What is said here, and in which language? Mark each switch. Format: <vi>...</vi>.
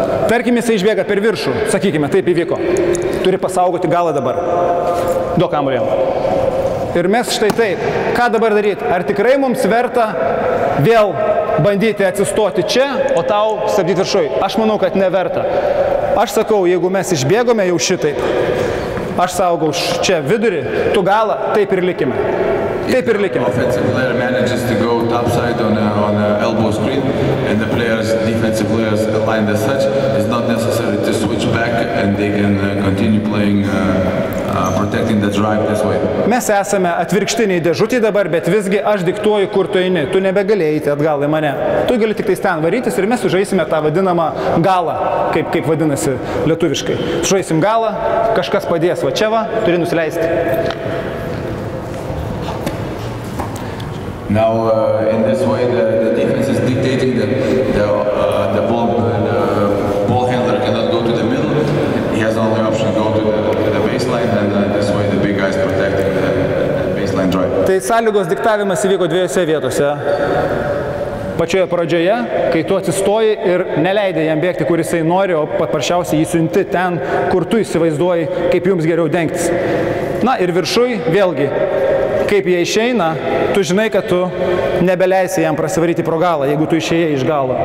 <lt>Tarkim, jisai išbėga per viršų, sakykime, taip įvyko. Turi pasaugoti galą dabar. Duok kamuolį. Ir mes štai taip. Ką dabar daryti? Ar tikrai mums verta vėl bandyti atsistoti čia, o tau stabdyti viršui? Aš manau, kad neverta. Aš sakau, jeigu mes išbėgome jau šitaip, aš saugau čia vidurį, tu galą, taip ir likime. Taip ir likime.</lt> <en>Offensive player manages to go topside on a elbow screen and the players, defensive players aligned as such, it's not necessary to switch back and they can continue playing, protecting the drive this way.</en> <lt>Mes esame atvirkštiniai dėžutį dabar, bet visgi aš diktuoju, kur tu eini. Tu nebegalėjai eiti atgal į mane. Tu gali tik tais ten varytis ir mes sužaisime tą vadinamą galą, kaip vadinasi lietuviškai. Sužaisim galą, kažkas padės va čia va, turi nusileisti.</lt> <en>Now in this way the defense is dictating that the ball handler cannot go to the middle. He has only option to go to the baseline and this way the big guys protecting the baseline drive.</en> <lt>Tai sąlygos diktavimas įvyko dviejose vietose. Pačioje pradžioje, kai tu atsistoji ir neleidė jam bėgti, kur jisai nori, o paprasčiausiai jį siunti ten, kur tu įsivaizduoji, kaip jums geriau dengtis. Na ir viršui vėlgi. Kaip jie išeina, tu žinai, kad tu nebeleisi jam prasivaryti pro galą, jeigu tu išėjai iš galo.</lt>